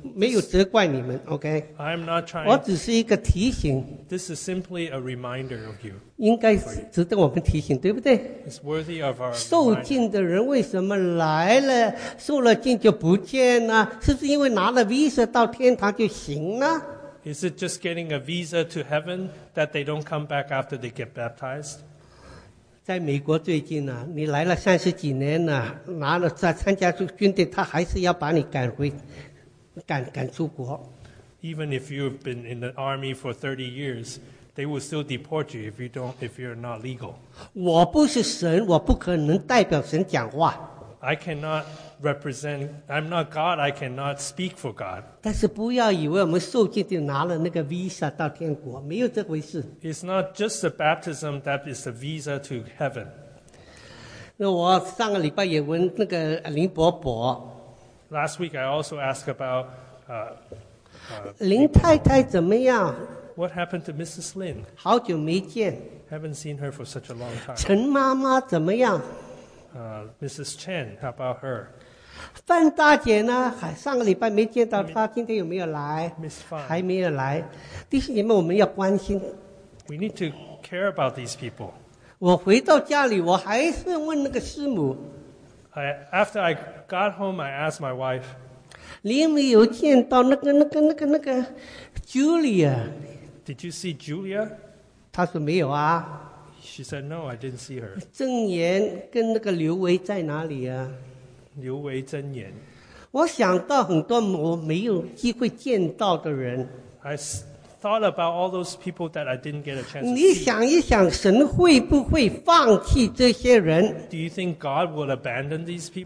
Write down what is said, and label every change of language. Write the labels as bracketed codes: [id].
[zh] 没有责怪你们, okay? [en] I'm not trying. [zh] 我只是一个提醒, [en] this is simply a reminder of you. [zh] 应该值得我们提醒, 对不对? [en] It's worthy of our reminder. [zh] 受禁的人为什么来了, 受了禁就不见呢? 是不是因为拿了visa到天堂就行呢? [en] Is it just getting a visa to heaven that they don't come back after they get baptized? [zh] 在美国最近呢, 你来了30几年呢, 拿了再参加军队他还是要把你赶回 赶出国, [en] even if you've been in the army for 30 years, they will still deport you if you're not legal. [zh] 我不是神, 我不可能代表神讲话。 [en] I cannot represent, I'm not God, I cannot speak for God. [zh] 但是不要以为我们受禁就拿了那个visa到天国, 没有这回事。 [en] It's not just the baptism that is the visa to heaven. [zh] 那我上个礼拜也问那个林伯伯, [en] last week, I also asked about [zh] 林太太怎么样? [en] What happened to Mrs. Lin? [zh] 好久没见。 [en] Haven't seen her for such a long time. [zh] 陈妈妈怎么样? [en] Mrs. Chen, how about her? [zh] 范大姐呢? 上个礼拜没见到她, 今天有没有来? [en] Miss Fan. [zh] 还没有来。弟兄姐妹,我们要关心。 [en] We need to care about these people. [zh] 我回到家里, 我还是问那个师母。 [en] After I got home, I asked my wife, [zh] 你有没有见到那个 Julia? [en] Did you see Julia? [zh] 她说没有啊。 [en] She said, no, I didn't see her. [zh] 正言跟那个刘维在哪里啊? 刘维真言。我想到很多我没有机会见到的人。 [en] I thought about all those people that I didn't get a chance to see. [zh] 你想一想神会不会放弃这些人? [en] Do you think God will abandon these people?